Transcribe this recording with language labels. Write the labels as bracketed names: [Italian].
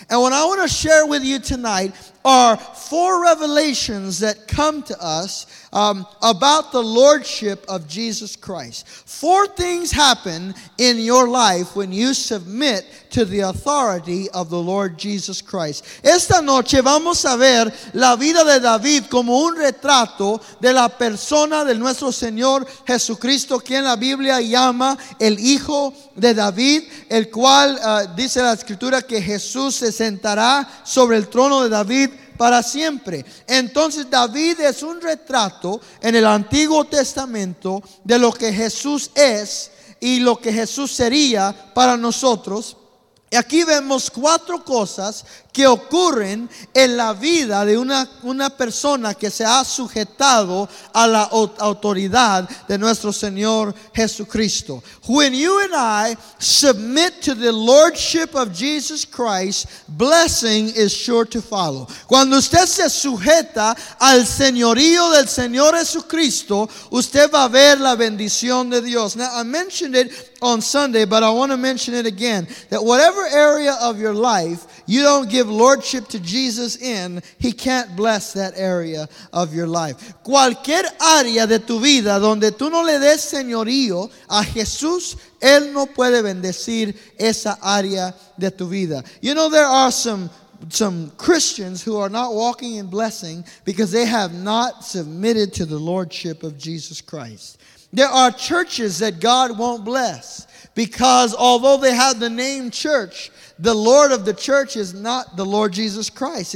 [English] And what I want to share with you tonight are 4 revelations that come to us about the lordship of Jesus Christ. 4 things happen in your life when you submit to the authority of the Lord Jesus Christ. [Spanish] Esta noche vamos a ver la vida de David como un retrato de la persona de nuestro Señor Jesucristo, quien la Biblia llama el Hijo de David, el cual dice la Escritura que Jesús se sentará sobre el trono de David para siempre. Entonces David es un retrato en el Antiguo Testamento de lo que Jesús es y lo que Jesús sería para nosotros. Y aquí vemos 4 cosas que ocurren en la vida de una persona que se ha sujetado a la autoridad de nuestro Señor Jesucristo. [English] When you and I submit to the lordship of Jesus Christ, blessing is sure to follow. [Spanish] Cuando usted se sujeta al señorío del Señor Jesucristo, usted va a ver la bendición de Dios. [English] Now, I mentioned it on Sunday, but I want to mention it again, that whatever area of your life you don't give lordship to Jesus in, he can't bless that area of your life. [Spanish] Cualquier área de tu vida donde tú no le des señorío a Jesús, él no puede bendecir esa área de tu vida. [English] You know, there are some Christians who are not walking in blessing because they have not submitted to the lordship of Jesus Christ. There are churches that God won't bless because although they have the name church, the Lord of the church is not the Lord Jesus Christ.